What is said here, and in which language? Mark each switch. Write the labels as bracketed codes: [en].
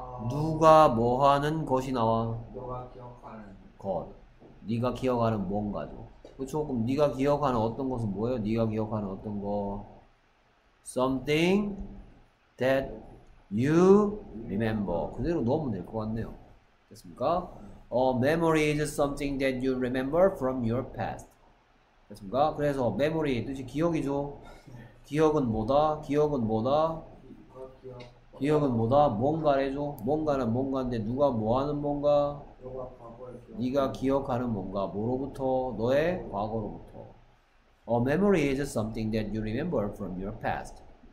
[ko] 누가 뭐 하는 것이 나와? 너가 기억하는 것. 네가 기억하는 뭔가죠. 그쵸? 그럼 네가 기억하는 어떤 것은 뭐예요? 네가 기억하는 어떤 거? [en] Something that you remember. [ko] 그대로 넣으면 될 것 같네요. 됐습니까? [en] Memory is something that you remember from your past. [ko] 됐습니까? 그래서 memory 뜻이 기억이죠. 기억은 뭐다? 기억은 뭐다? 기억은 뭐다? 뭔가래죠. 뭔가는 뭔가인데 누가 뭐하는 뭔가? 네가 기억하는 뭔가 뭐로부터? 너의 과거로부터. [en] A memory is something that you remember from your past.